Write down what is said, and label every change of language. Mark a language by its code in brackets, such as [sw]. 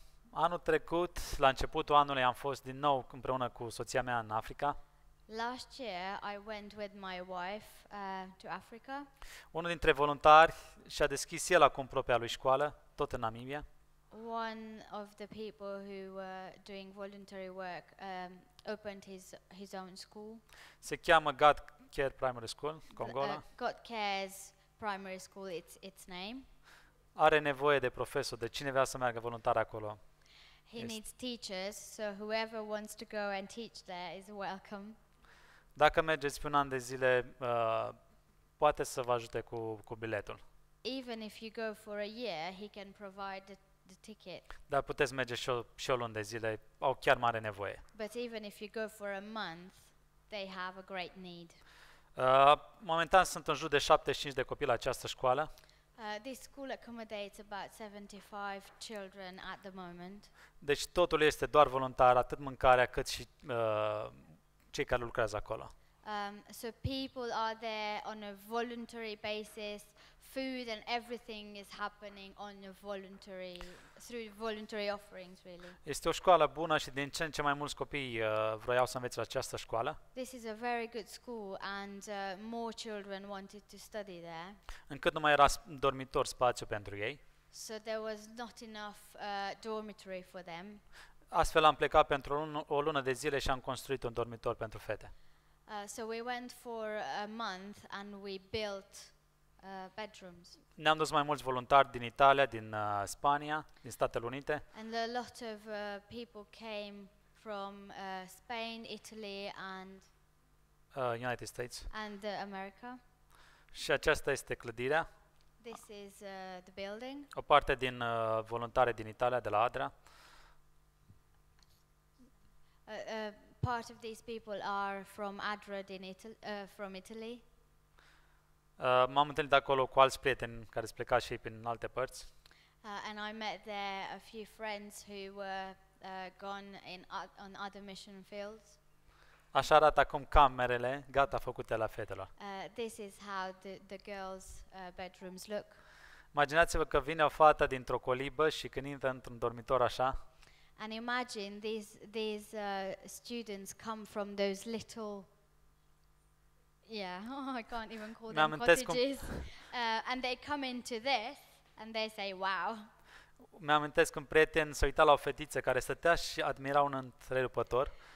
[ro] Anul trecut, la începutul anului, am fost din nou împreună cu soția mea în Africa. [en] Last year, I went with my wife to Africa. [ro] Unul dintre voluntari și-a deschis el acum propria lui școală, tot în Namibia. [en] One of the people who were doing voluntary work opened his own school. [ro] Se cheamă God Care Primary School, Congola. [en] God Cares Primary School, its name. [ro] Are nevoie de profesor, de cine vrea să meargă voluntar acolo. [en] He needs teachers, so whoever wants to go and teach there is welcome. [ro] Dacă mergeți pe un an de zile, poate să vă ajute cu biletul. [en] Even if you go for a year, he can provide the ticket. [ro] Dar puteți merge și o lună de zile, au chiar mare nevoie. [en] But even if you go for a month, they have a great need. [ro] Momentan sunt în jur de 75 de copii la această școală. [en] This school accommodates about 75 children at the moment. [ro] Deci totul este doar voluntar, atât mâncarea, cât și cei care lucrează acolo. [en] So people are there on a voluntary basis. Food and everything is happening on a voluntary through voluntary offerings really. [ro] Este o școală bună și din ce în ce mai mulți copii vroiau să învețe la această școală. [en] This is a very good school and more children wanted to study there. [ro] Încât nu mai era dormitor spațiu pentru ei. [en] So there was not enough dormitory for them. [ro] Astfel am plecat pentru o lună de zile și am construit un dormitor pentru fete. [en] So we went for a month and we built bedrooms. [ro] Ne-am dus mai mulți voluntari din Italia, din Spania, din Statele Unite. [en] And a lot of people came from Spain, Italy and United States. And America. [ro] Și aceasta este clădirea. [en] This is the building. [ro] O parte din voluntari din Italia, de la Adria. [en] Part of these people are from Adria in Italy, from Italy. [ro] M-am întâlnit acolo cu alți prieteni care s-au plecat și ei prin alte părți. [en] And I met there a few friends who were gone in on other mission fields. [ro] Așa arată acum camerele gata făcute la fetelor. [en] This is how the girls' bedrooms look. [ro] Imaginați-vă că vine o fată dintr-o colibă și când intră într-un dormitor așa. [en] And imagine these students come from those little. Yeah, I can't even call them cottages. And they come into this and they say wow. [ro] Mi-amintesc un prieten s-a uitat la o fetiță care stătea și admira un întrerupător.